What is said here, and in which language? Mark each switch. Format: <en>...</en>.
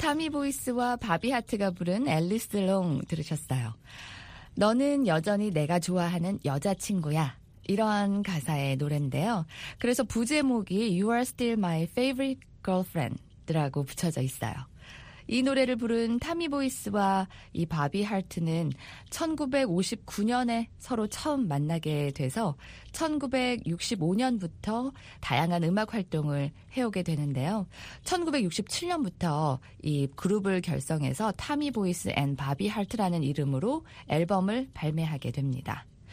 <ko>보이스와 바비 하트가 부른 앨리스 롱 들으셨어요. 너는 여전히 내가 좋아하는 여자친구야. 이러한 가사의 노래인데요. 그래서 부제목이</ko> <en>You are still my favorite girlfriend</en> <ko>라고 붙여져 있어요. 이 노래를 부른 타미 보이스와 이 바비 하트는 1959년에 서로 처음 만나게 돼서 1965년부터 다양한 음악 활동을 해오게 되는데요. 1967년부터 이 그룹을 결성해서 타미 보이스 앤 바비 하트라는 이름으로 앨범을 발매하게 됩니다.</ko>